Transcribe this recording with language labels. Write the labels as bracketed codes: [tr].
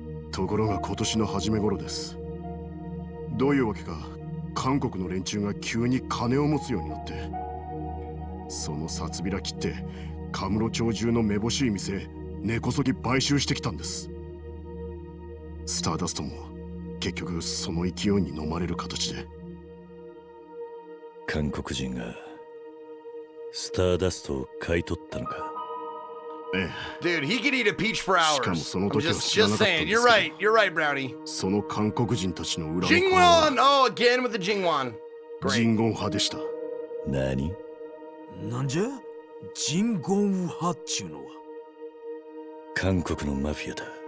[ja] ところが今年の初め頃です。どういうわけか韓国の連中が急に金を持つようになって、その札開きってカムロ町中のめぼしい店根こそぎ買収してきたんです。スターダストも結局その勢いに飲まれる形で。韓国人がスターダストを買い取ったのか。 [en] Dude, he could eat a peach for hours. I'm just saying. You're right, Brownie. [ja] その韓国人たちの裏の声は… [en] Jingwon! Oh, again with the Jingwon. [ja] Great. Jingwon 派でした。何？なんじゃ？Jingwon 派っちゅうのは。韓国のマフィアだ。